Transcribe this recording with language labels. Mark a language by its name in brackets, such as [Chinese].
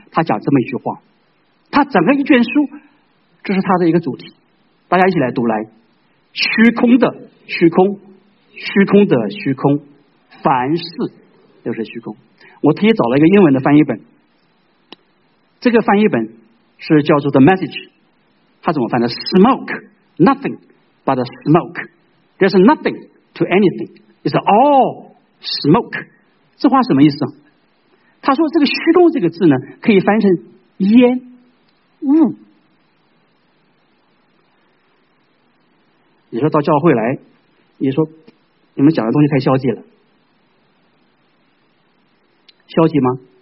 [Chinese] 他讲这么一句话，他整个一卷书这是他的一个主题，大家一起来读来。虚空的虚空，虚空的虚空，凡事都是虚空。我特意找了一个英文的翻译本，这个翻译本是叫做 The Message， 它怎么翻的？ [English] Smoke nothing but smoke， There's nothing to anything， It's all smoke。 [Chinese] 这话什么意思？他说这个虚空这个字呢，可以翻成烟雾。你说到教会来，你说你们讲的东西太消极了，消极吗？